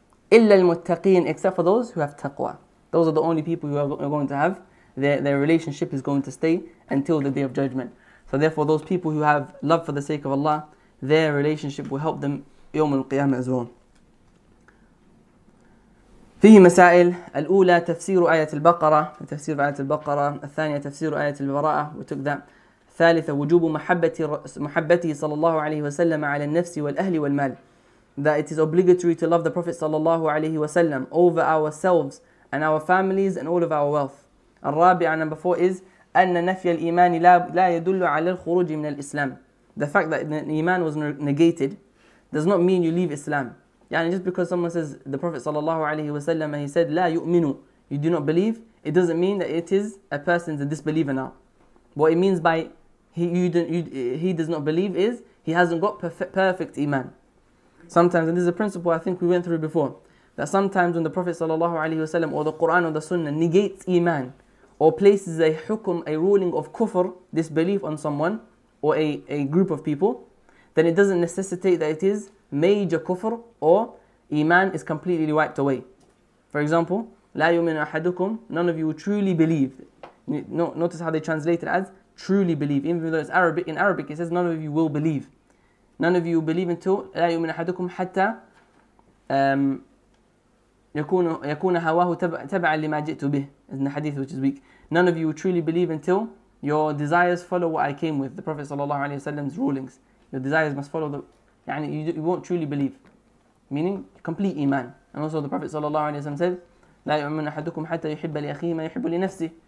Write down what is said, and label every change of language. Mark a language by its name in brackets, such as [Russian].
[Arabic] إِلَّا الْمُتَّقِينَ. [English] Except for those who have taqwa. Those are the only people who are going to have, their relationship is going to stay until the Day of Judgment. So therefore, those people who have love for the sake of Allah, their relationship will help them [Arabic] يوم القيامة [English] as well. [Arabic] فيه مسائل الأولى تفسير آية البقرة تفسير آية البقرة الثانية تفسير آية البراءة وتكذا ثالثة وجوب محبته صلى الله عليه وسلم على النفس والأهل والمال. [English] That it is obligatory to love the Prophet [Arabic] صلى الله عليه وسلم [English] over ourselves and our families and all of our wealth. [Arabic] الرابعة [English] number four is [Arabic] أن نفي الإيمان لا يدل على الخروج من الإسلام. [English] The fact that Iman was negated does not mean you leave Islam. Yani just because someone says the Prophet sallallahu alaihi wasallam, he said la yu'minu, you do not believe, it doesn't mean that it is a person's a disbeliever now. What it means by he does not believe is he hasn't got perfect Iman. Sometimes, and this is a principle I think we went through before, that sometimes when the Prophet sallallahu alaihi wasallam or the Quran or the Sunnah negates Iman or places a hukum, a ruling of kufr, disbelief on someone or a group of people, then it doesn't necessitate that it is major kufr or Iman is completely wiped away. For example, [Arabic] لا يؤمن أحدكم, [English] none of you will truly believe. Notice how they translate it as truly believe. Even though it's Arabic, in Arabic it says none of you will believe. None of you will believe until [Arabic] لا يؤمن أحدكم حتى يكون هواه تبعا لما جئت به. [English] In the hadith which is weak. None of you will truly believe until your desires follow what I came with, the Prophet sallallahu alaihi wasallam's rulings. Your desires must follow the, يعني you won't truly believe, meaning complete iman. And also the Prophet sallallahu alaihi wasallam said, [Arabic] لا يؤمن أحدكم حتى يحب لأخيه ما يحب لنفسه.